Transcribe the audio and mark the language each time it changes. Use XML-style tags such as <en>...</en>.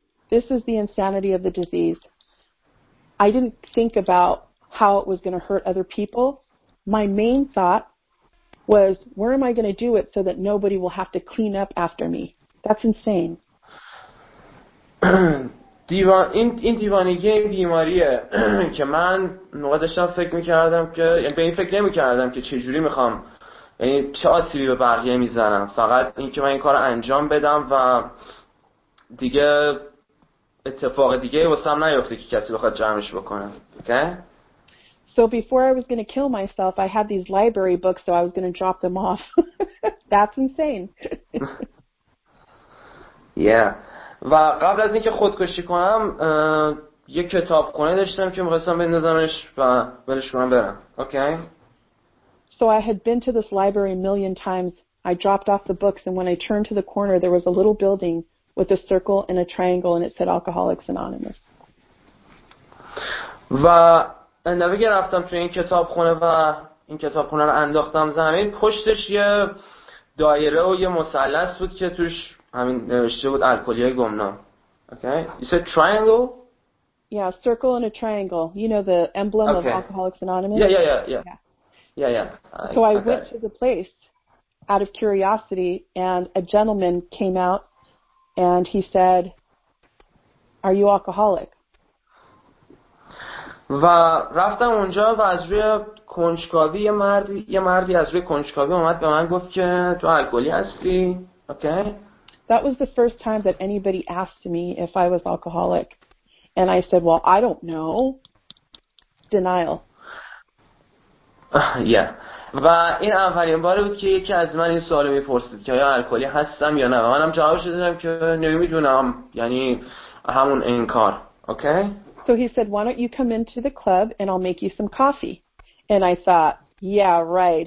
<en>This is the insanity of the disease. I didn't think about how it was going to hurt other people. My main thought was where am I going to do it so that nobody will have to clean up after me. That's insane.</en> <fa>دیوانگی این بیماریه که من نقاط داشتم فکر میکردم که یعنی به این فکر نمیکردم که چجوری میخوام یعنی چه آسیبی به بقیه میزنم، فقط این که من این کار انجام بدم و دیگه اتفاق دیگه واسه هم نیفته که کسی بخواد جمعش بکنه.</fa> <en>Okay? So before I was going to kill myself I had these library books so I was going to drop them off. That's insane. Yeah.</en> <fa>و قبل از اینکه خودکشی کنم یه کتابخونه داشتم که می‌خواستم بندازمش و ولش کنم برم.</fa> <en>Okay? So I had been to this library a million times. I dropped off the books and when I turned to the corner there was a little building with a circle and a triangle and it said Alcoholics Anonymous.</en> <fa>و اندوی رفتم توی این کتابخونه و این کتابخونه رو انداختم زمین، پشتش یه دایره و یه مثلث بود که توش همین نوشته بود الکلیای گمنام.</fa> <en>Okay? You said triangle? Yeah, circle and a triangle. You know the emblem okay. of Alcoholics Anonymous? Yeah. So I went to the place out of curiosity, and a gentleman came out and he said, "Are you alcoholic?"</en> <fa>و رفتم اونجا و از روی کنجکاوی یه مردی از روی کنجکاوی اومد به من گفت که تو الکلی هستی.</fa> <en>Okay. That was the first time that anybody asked me if I was alcoholic. And I said, "Well, I don't know." Denial. Yeah.</en> <fa>و این اولین باری بود که یکی از من این سوالو میپرسید که آیا الکلی هستم یا نه. و منم جوابش دادم که نمیدونم. یعنی همون انکار. اوکی.</fa> <en>So he said, "Why don't you come into the club and I'll make you some coffee?" And I thought, "Yeah, right.</en>